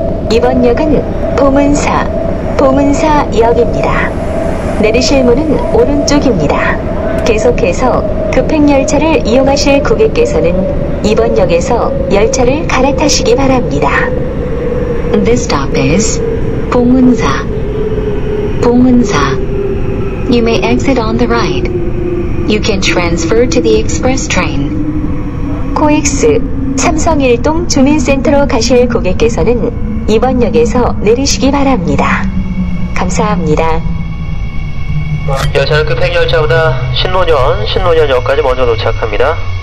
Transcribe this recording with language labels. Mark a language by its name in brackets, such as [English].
[Korean] 이번역은 보문사역입니다. 내리실 문은 오른쪽입니다. 계속해서 급행열차를 이용하실 고객께서는 이번역에서 열차를 갈아타시기 바랍니다. [English] This stop is 보문사. [Korean] 보문사. [English] You may exit on the right. You can transfer to the express train. [Korean] 코엑스 삼성일동 주민센터로 가실 고객께서는 이번역에서 내리시기 바랍니다. 감사합니다. 열차는 급행열차보다 신논현역까지 먼저 도착합니다.